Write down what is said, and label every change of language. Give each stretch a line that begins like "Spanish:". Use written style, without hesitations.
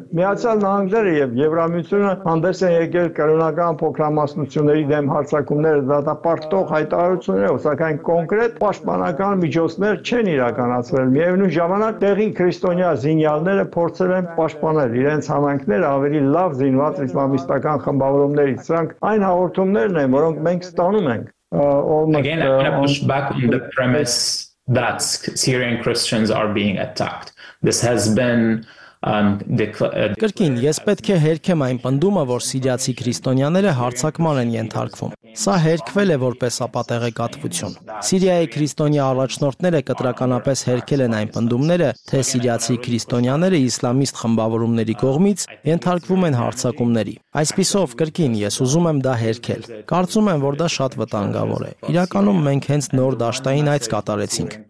Armenian: Միացյալ Նահանգները և Եվրամիությունը հանդես են եկել կրոնական փոքրամասնությունների դեմ հարձակումները դատապարտող հայտարարություններով, սակայն կոնկրետ պաշտպանական միջոցներ չեն իրականացվել։ Միևնույն ժամանակ տեղի քրիստոնյա զինյալները փորձել են պաշտպանել իրենց համայնքները ավելի լավ զինված իսլամիստական խմբավորումներից։ Սրանք այն հաղորդումներն են, որոնք մենք
English: Again, I want to push back on the premise that Syrian Christians are being attacked. This has been
Armenian: Կրկին, ես պետք է հերքեմ այն պնդումը, որ Սիրիացի քրիստոնյաները հարձակման են ենթարկվում։ Սա հերքվել է որպես ապատեղեկատվություն։ Սիրիայի քրիստոնյա առաջնորդները կտրականապես հերքել են այն պնդումները, թե Սիրիացի քրիստոնյաները իսլամիստ խմբավորումների կողմից ենթարկվում են հարձակումների։ Այսպիսով, կրկին, ես ուզում եմ դա հերքել։ Կարծում եմ, որ դա շատ վտանգավոր է։ Իրականում մենք հենց նոր դաշտային այց կատարեցինք,